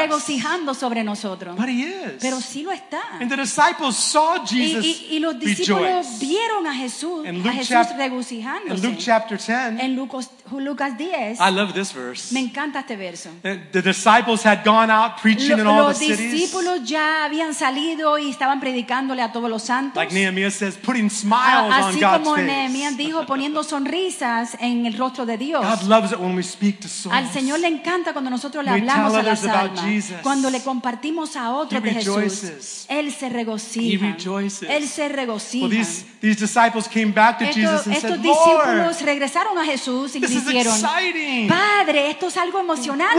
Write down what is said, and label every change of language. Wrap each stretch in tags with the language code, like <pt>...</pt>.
<es>Regocijando sobre nosotros.</es> <en>But he is.</en> <es>Pero sí lo está.</es> <en>And the disciples saw Jesus</en> <es>y los discípulos</es> <en>rejoice.</en> <es>Vieron a Jesús,</es> <en>in Luke</en> <es>a Jesús regocijándose.</es> <en>In Luke chapter 10,</en> <es>en Lucas 10,</es> <en>I love this verse.</en> <es>Me encanta este verso.</es> <en>The disciples had gone out preaching in all the cities.</en> <es>discípulos ya habían salido y estaban predicándole a todos los santos.</es> <en>Like Nehemiah says, putting smiles on God's face.</en> <es>Así como Nehemiah dijo, poniendo sonrisas en el rostro de Dios.</es> <en>God loves it when we speak to souls.</en> <es>Al Señor le encanta cuando nosotros le hablamos a las almas. Cuando le compartimos a otros de Jesús. Él se regocija.</es> <en>He rejoices.</en> <es>Él se regocija.</es> <en>Well, these disciples came back to Jesus and said, Lord,</en> <es>estos discípulos regresaron a Jesús y dijeron, Padre, esto es algo emocionante.</es>